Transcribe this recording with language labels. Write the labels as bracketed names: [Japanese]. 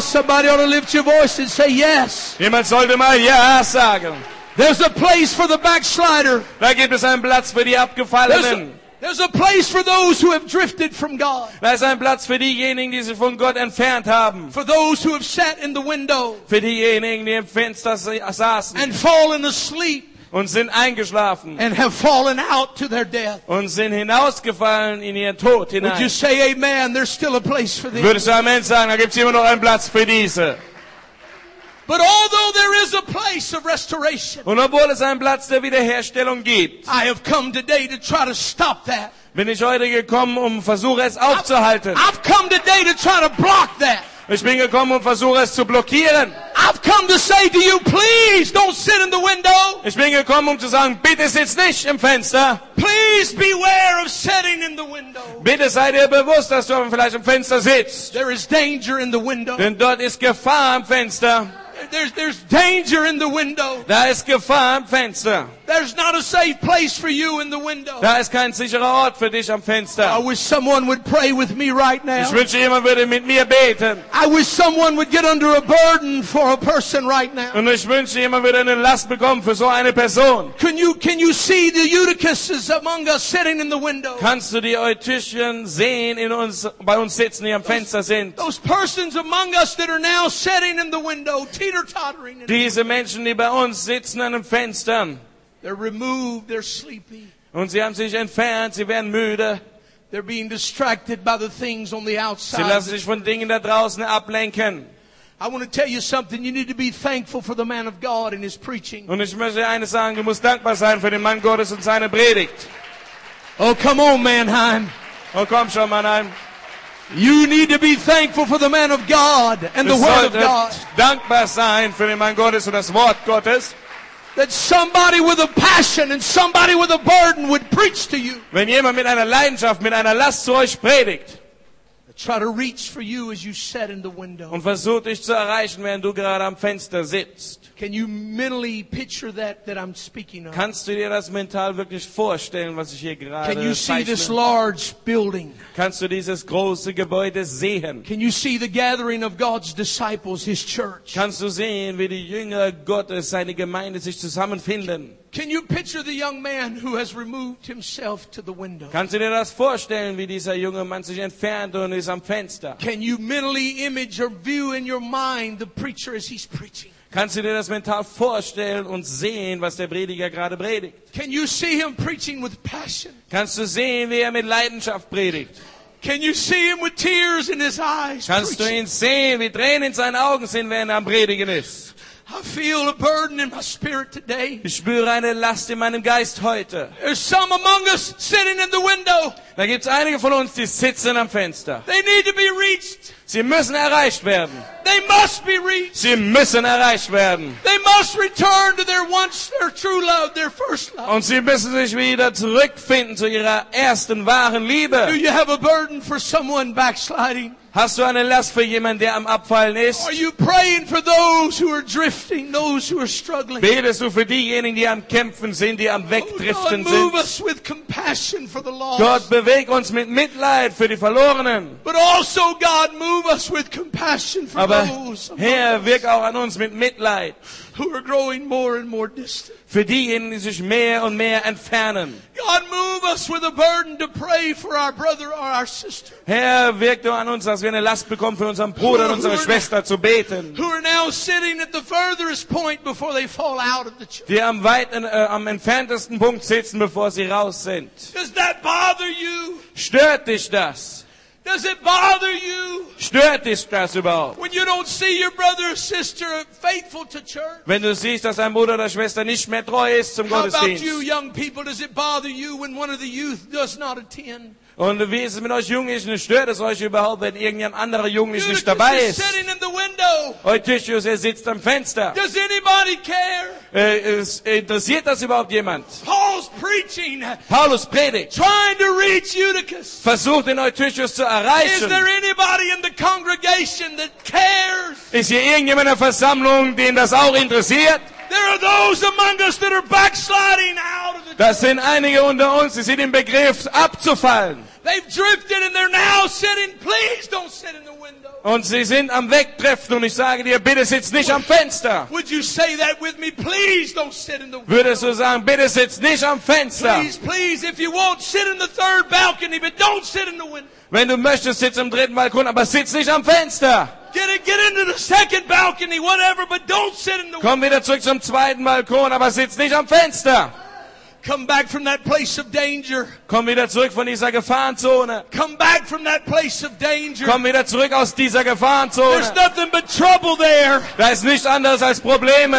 [English] somebody ought to lift your voice and say yes. [German] Jemand sollte mal ja sagen. [English] There's a place for the backslider. [German] Da gibt es einen Platz für die Abgefallenen. [English] There's a place for those who have drifted from God. [German] Da ist ein Platz für diejenigen, die sich von Gott entfernt haben. [English] For those who have sat in the window. [German] Für diejenigen, die im Fenster saßen. [English] And fallen asleep. [German] Und sind eingeschlafen. [English] And have fallen out to their death. [German] Und sind hinausgefallen in ihren Tod hinein. [English] Would you say amen? There's still a place for these. [German] Würdest du Amen sagen? Da gibt's immer noch einen Platz für diese. [English] But although there is a place of restoration, [German] und obwohl es einen Platz der Wiederherstellung gibt, [English] I have come today to try to stop that. [German] bin ich heute gekommen, um versuche es aufzuhalten. [English] I've come today to try to block that. [German] Ich bin gekommen, um versuche es zu blockieren. [English] I've come to say to you, please don't sit in the window. [German] Ich bin gekommen, um zu sagen, bitte sitz nicht im Fenster. [English] Please beware of sitting in the window. [German] Bitte sei dir bewusst, dass du vielleicht im Fenster sitzt. [English] There is danger in the window. [German] Denn dort ist Gefahr am Fenster. [English] There's danger in the window. [German] Da ist Gefahr am Fenster. [English] There's not a safe place for you in the window. [German] Da ist kein sicherer Ort für dich am Fenster. [English] I wish someone would pray with me right now. [German] Ich wünsche, jemand würde mit mir beten. [English] I wish someone would get under a burden for a person right now. [German] Und ich wünsche, jemand würde eine Last bekommen für so eine Person. [English] Can you see the Eutychuses among us sitting in the window? [German] Kannst du die Eutychien sehen in uns, bei uns sitzen, die am Fenster sind? [English] Those persons among us that are now sitting in the window, teeter-tottering. [German] Diese Menschen, die bei uns sitzen an den Fenstern. [English] They're removed, they're sleepy. [German] Und sie haben sich entfernt, sie werden müde. [English] They're being distracted by the things on the outside. [German] Sie lassen sich von Dingen da draußen ablenken. [English] I want to tell you something. You need to be thankful for the man of God and his preaching. [German] Und ich möchte eines sagen, du musst dankbar sein für den Mann Gottes und seine Predigt. [English] Oh, come on, Mannheim. [German] Oh, komm schon, Mannheim. [English] You need to be thankful for the man of God and the word of God. [German] Dankbar sein für den Mann Gottes und das Wort Gottes. [English] That somebody with a passion and somebody with a burden would preach to you. [German] Wenn jemand mit einer Leidenschaft, mit einer Last zu euch predigt. [English] I try to reach for you as you sit in the window. [German] Und versucht dich zu erreichen, während du gerade am Fenster sitzt. [English] Can you mentally picture that I'm speaking of? [German] Kannst du dir das mental wirklich vorstellen, was ich hier gerade zeichne? [English] Can you see this large building? [German] Kannst du dieses große Gebäude sehen? [English] Can you see the gathering of God's disciples, his church? [German] Kannst du sehen, wie die Jünger Gottes, seine Gemeinde sich zusammenfinden? [English] Can you picture the young man who has removed himself to the window? [German] Kannst du dir das vorstellen, wie dieser junge Mann sich entfernt und ist am Fenster? [English] Can you mentally image or view in your mind the preacher as he's preaching? [German] Kannst du dir das mental vorstellen und sehen, was der Prediger gerade predigt? [English] Can you see him preaching with passion? [German] Kannst du sehen, wie er mit Leidenschaft predigt? [English] Can you see him with tears in his eyes? [German] Kannst du ihn sehen, wie Tränen in seinen Augen sind, wenn er am Predigen ist? [English] I feel a burden in my spirit today. [German] Ich spüre eine Last in meinem Geist heute. [English] There's some among us sitting in the window. [German] Da gibt's einige von uns, die sitzen am Fenster. [English] They need to be reached. [German] Sie müssen erreicht werden. [English] They must be reached. [German] Sie müssen erreicht werden. [English] They must return to their once their true love, their first love. [German] Und sie müssen sich wieder zurückfinden zu ihrer ersten wahren Liebe. [English] Do you have a burden for someone backsliding? [German] Hast du eine Last für jemanden, der am Abfallen ist? [English] Are you praying for those who are drifting, those who are struggling? [German] Betest du für diejenigen, die am Kämpfen sind, die am Wegdriften sind? [English] Oh, God, move us with compassion for the lost. [German] Gott, beweg uns mit Mitleid für die Verlorenen. [English] But also, God, move us with compassion for [German] Aber [English] those. [German] Herr, wirk auch an uns mit Mitleid. [English] Who are growing more and more distant. [German] Für diejenigen, die sich mehr und mehr entfernen. [English] God, move us with a burden to pray for our brother or our sister. [German] Herr, wirk du an uns, dass wir eine Last bekommen, für unseren Bruder und unsere Schwester zu beten. [English] Who are now sitting at the furthest point before they fall out of the church. [German] Die am weiten, am entferntesten Punkt sitzen, bevor sie raus sind. [English] Does that bother you? [German] Stört dich das? [English] Does it bother you? [German] Stört dich das überhaupt? [English] When you don't see your brother or sister faithful to church? [German] Wenn du siehst, dass dein Bruder oder Schwester nicht mehr treu ist zum Gottesdienst. [English] How about you, young people? Does it bother you when one of the youth does not attend? [German] Und wie ist es mit euch Jugendlichen? Stört es euch überhaupt, wenn irgendein anderer Jugendlicher nicht dabei ist? [English] Eutychus is sitting in the window. [German] Eutychus, er sitzt am Fenster. [English] Does anybody care? [German] Interessiert das überhaupt jemand? [English] Paul's preaching. [German] Paulus predigt. [English] Trying to reach Eutychus. [German] Versucht den Eutychus zu erreichen. [English] Is there anybody in the congregation that cares? [German] Ist hier irgendjemand in der Versammlung, den das auch interessiert? [English] There are those among us that are backsliding out of the [German] Das sind einige unter uns, die sind im Begriff abzufallen. [English] They've drifted and they're now sitting. Please don't sit in the window. [German] Und sie sind am Wegdriften und ich sage dir, bitte sitz nicht am Fenster. [English] Would you say that with me? Please don't sit in the window. [German] Würdest du sagen, bitte sitz nicht am Fenster? [English] Please, if you won't sit in the third balcony, but don't sit in the window. [German] Wenn du möchtest, sitz im dritten Balkon, aber sitz nicht am Fenster. [English] Get into the second balcony, whatever, but don't sit in the [German] Komm wieder zurück zum zweiten Balkon, aber sitz nicht am Fenster. [English] Come back from that place of danger. [German] Komm wieder zurück von dieser Gefahrenzone. [English] Come back from that place of danger. [German] Komm wieder zurück aus dieser Gefahrenzone. [English] There's nothing but trouble there. [German] Da ist nichts anderes als Probleme.